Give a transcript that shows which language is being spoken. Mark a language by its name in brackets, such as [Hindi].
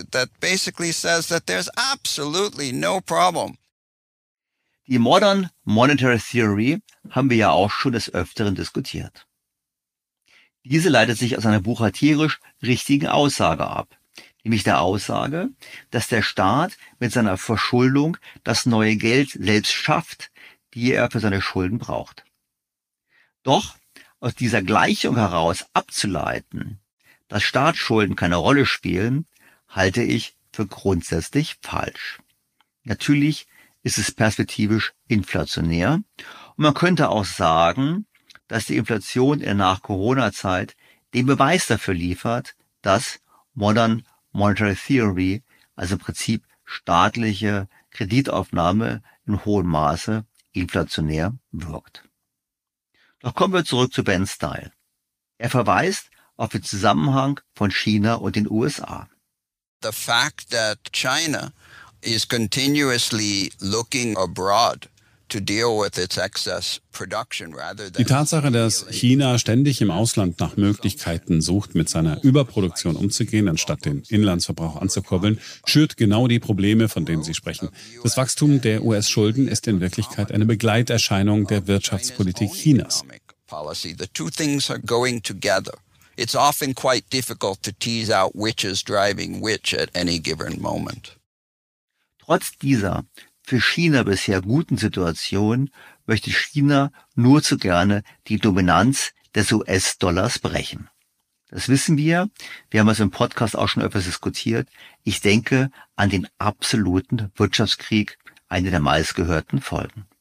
[English] That basically says that there's absolutely no problem. [German] Die Modern Monetary Theory haben wir ja auch schon des Öfteren diskutiert. Diese leitet sich aus einer buchhalterisch richtigen Aussage ab, nämlich der Aussage, dass der Staat mit seiner Verschuldung das neue Geld selbst schafft, die er für seine Schulden braucht. Doch aus dieser Gleichung heraus abzuleiten, dass Staatsschulden keine Rolle spielen, halte ich für grundsätzlich falsch. Natürlich ist es perspektivisch inflationär und man könnte auch sagen, dass die Inflation in der Nach-Corona-Zeit den Beweis dafür liefert, dass Modern Monetary Theory, also im Prinzip staatliche Kreditaufnahme in hohem Maße inflationär wirkt. Doch kommen wir zurück zu Ben Stahl. Er verweist auf den Zusammenhang von China und den USA. [English] The fact that China is continuously looking abroad to deal with its excess production rather than [German] die Tatsache, dass China ständig im Ausland nach Möglichkeiten sucht, mit seiner Überproduktion umzugehen, anstatt den Inlandsverbrauch anzukurbeln, schürt genau die Probleme, von denen Sie sprechen. Das Wachstum der US-Schulden ist in Wirklichkeit eine Begleiterscheinung der Wirtschaftspolitik Chinas. [English] The two things are going together. It's often quite difficult to tease out which is driving which at any given moment. [German] Trotz dieser für China bisher guten Situation möchte China nur zu gerne die Dominanz des US-Dollars brechen. Das wissen wir. Wir haben es im Podcast auch schon öfters diskutiert. Ich denke an den absoluten Wirtschaftskrieg, eine der meistgehörten Folgen.